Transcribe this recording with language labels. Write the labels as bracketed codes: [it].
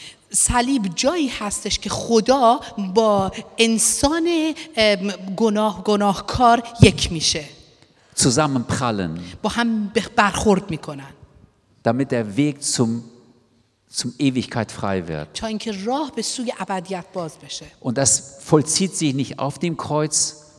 [fa] صلیب جایی هستش که خدا با انسان گناه گناهکار یک میشه. [de] Zusammenprallen. [fa] با هم برخورد میکنن. [de] Damit der Weg zum Ewigkeit frei wird. [fa] تا اینکه راه به سوی ابدیت باز بشه. [de] Und das vollzieht sich nicht auf dem Kreuz.